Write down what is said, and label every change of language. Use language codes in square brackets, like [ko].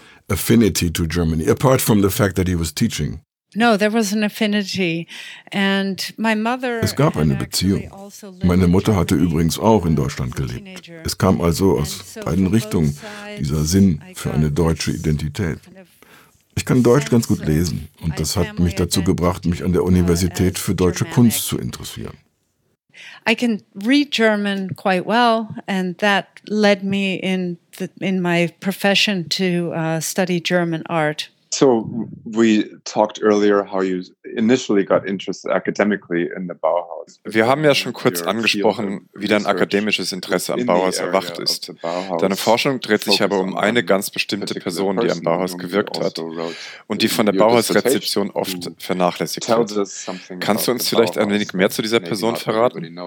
[en] Affinity to Germany, apart from the fact that he was teaching. No, there was an affinity, and my mother. [de] Es gab eine Beziehung. Meine Mutter hatte übrigens auch in Deutschland gelebt. Es kam also aus beiden Richtungen dieser Sinn für eine deutsche Identität. Ich kann Deutsch ganz gut lesen, und das hat mich dazu gebracht, mich an der Universität für deutsche Kunst zu interessieren. [en] I can read German quite well, and that led me in my profession to study German art. So we talked earlier how you initially got interested academically in the Bauhaus. [de] Wir haben ja schon kurz angesprochen, wie dein akademisches Interesse am Bauhaus erwacht ist. Deine Forschung dreht sich aber um eine ganz bestimmte Person, die am Bauhaus gewirkt hat und die von der Bauhaus-Rezeption oft vernachlässigt wird. Kannst du uns vielleicht ein wenig mehr zu dieser Person verraten?